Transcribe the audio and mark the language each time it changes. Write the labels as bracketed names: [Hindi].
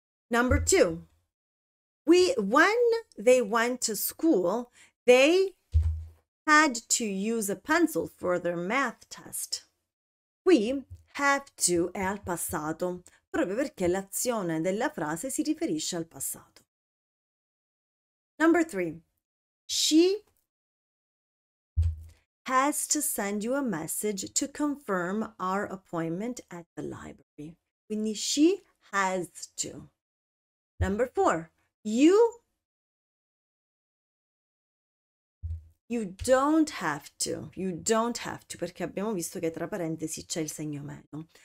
[English] Number two, when they went to school, they had to use a pencil for their math test. [Italian] Qui have to è al passato, proprio perché l'azione della frase si riferisce al passato. [English] Number three. She has to send you a message to confirm our appointment at the library. [Italian] Quindi [English] she has to. Number four. You don't have to, [Italian] perché abbiamo visto che tra parentesi c'è il segno meno.